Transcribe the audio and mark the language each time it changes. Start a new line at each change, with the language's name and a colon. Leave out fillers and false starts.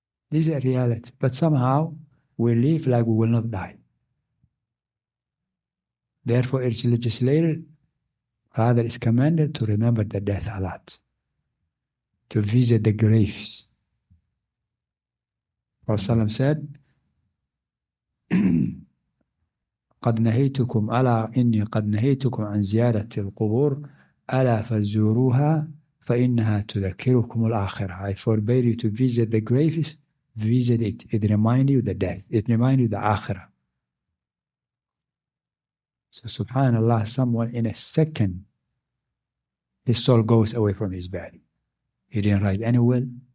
English: This is a reality. But somehow we live like we will not die. Therefore, it's legislated, rather is commanded to remember the death a lot, to visit the graves. Prophet said,
Arabic: قَدْ نَهَيْتُكُمْ أَلَا إِنِّي قَدْ نَهَيْتُكُمْ عَنْ زِيَارَةِ الْقُبُورِ أَلَا فَزُّرُوهَا فَإِنَّهَا تُذَكِّرُكُمُ الْآخِرَةِ.
English: I forbid you to visit the graves. Visit it. It reminds you the death. It reminds you the akhirah. So subhanAllah, someone in a second, his soul goes away from his body. He didn't write any will.